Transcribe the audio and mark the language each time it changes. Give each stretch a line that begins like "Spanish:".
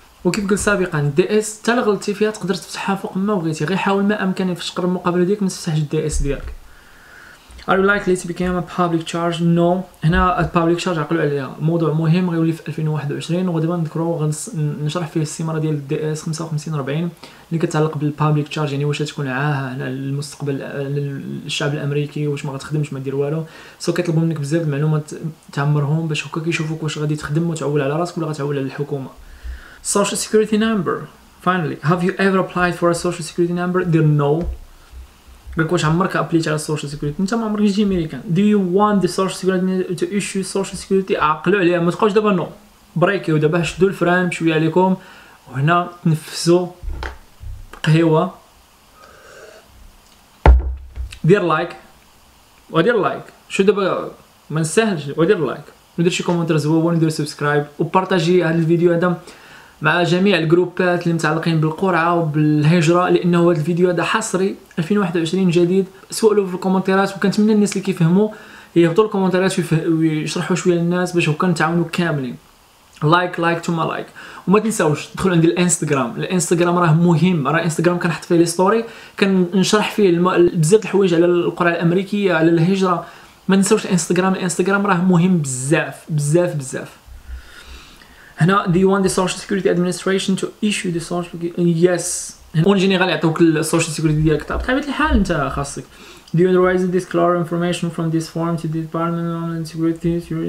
Arabic: وكيف قلت سابقا دي اس تلغلتي فيها تقدر تفتحها فوق ما بغيتي غير حاول ما أمكاني في شقر المقابلة ديك ما تفتحش دي اس ديالك.
English: Are you likely to become a public charge? No.
Arabic: هنا public charge عقلوا عليها موضوع مهم غيولي في 2021 وغدبا نذكره ونشرح فيه السيمرة ديال الدي اس 5540 اللي كتعلق بالpublic charge يعني واش تكون عاها للمستقبل للشعب الامريكي واش ما غتخدمش ما دير والو. سو كيطلبوا منك بزاف المعلومات تعمرهم باش هكا كيشوفوك واش غادي تخدم وتعول على راسك ولا غتعول على الحكومة.
English: Social security number. Finally, have you ever applied for a social security number? They're no.
Arabic: قالك واش عمرك ابليت على السوشيال سيكوريتي انت ما عمرك جيتي امريكان.
English: Do you want the social security to issue social security?
Arabic: عقلوا عليها ما تقولش دابا نو بريكي ودابا شدوا الفران شويه عليكم وهنا تنفسوا قهوه دير لايك ودير لايك شو دابا ما نسهلش ودير لايك ودير شي كومونتير زوين ودير سبسكرايب وبارطاجي هذا الفيديو هذا مع جميع الجروبات اللي متعلقين بالقرعة وبالهجرة لأنه هذا الفيديو هذا حصري 2021 جديد. سؤالوا في الكومنتيرات وكنتمنى الناس اللي كيفهموا يهبطوا الكومنتيرات ويشرحوا شوية للناس باش هكا نتعاونوا كاملين. لايك لايك ثم لايك وما تنساوش تدخلوا عندي الانستغرام. الانستغرام راه مهم راه انستغرام كنحط فيه لي ستوري كنشرح فيه بزاف الحوايج على القرعة الأمريكية على الهجرة. ما تنساوش الانستغرام. الانستغرام راه مهم بزاف بزاف بزاف. هنا
English: do you want the social security administration to issue the social security? Yes.
French: اون جينيرال
Arabic: يعطوك السوشيال سيكوريتي ديالك بطبيعة الحال انت خاصك.
English: Do you authorize the disclosure of information from this form to the Department of Homeland Security?